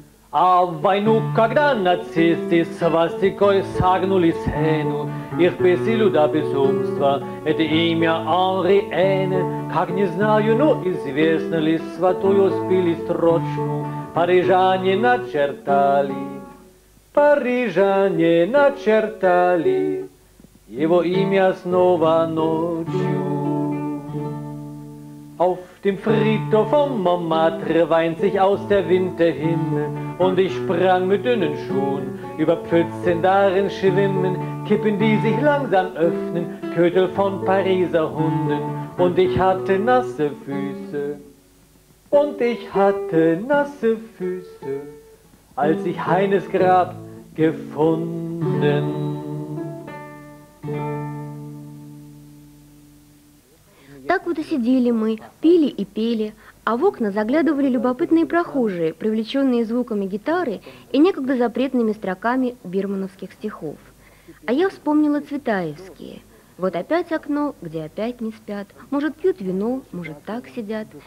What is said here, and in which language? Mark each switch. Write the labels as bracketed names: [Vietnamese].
[Russian] А в войну, когда нацисты свастикой согнули сцену, их бесилю до безумства, это имя Анри Эйн, как не знаю, но известно ли, святую спили строчку, парижане начертали, парижане начертали, его имя снова ночью. [German] Auf dem Friedhof von Montmartre weint sich aus der Winter hin, und ich sprang mit dünnen Schuhen über Pfützen darin schwimmen, Kippen, die sich langsam öffnen, Kötel von Pariser Hunden, und ich hatte nasse Füße, und ich hatte nasse Füße, als ich Heines Grab gefunden. [Russian] Так вот и сидели мы, пили и пели, а в окна заглядывали любопытные прохожие, привлеченные звуками гитары и некогда запретными строками бирмановских стихов. А я вспомнила цветаевские. Вот опять окно, где опять не спят, может, пьют вино, может, так сидят.